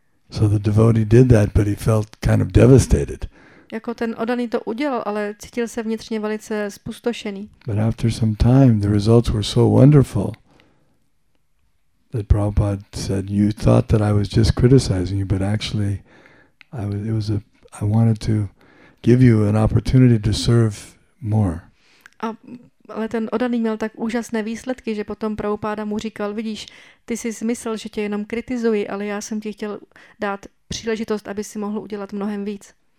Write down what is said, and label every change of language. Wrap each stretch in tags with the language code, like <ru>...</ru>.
<en>So the devotee did that, but he felt kind of devastated.</en> <cs>Jako ten odaný to udělal, ale cítil se vnitřně velice zpustošený.</cs> <en>But after some time, the results were so wonderful that Prabhupada said, "You thought that I was just criticizing you, but actually, I wanted to give you an opportunity to serve more."</en> <cs>Ale ten odaný měl tak úžasné výsledky, že potom Prabhupáda mu říkal, vidíš, ty jsi myslel, že tě jenom kritizuji, ale já jsem ti chtěl dát příležitost, aby si mohl udělat mnohem víc.</cs>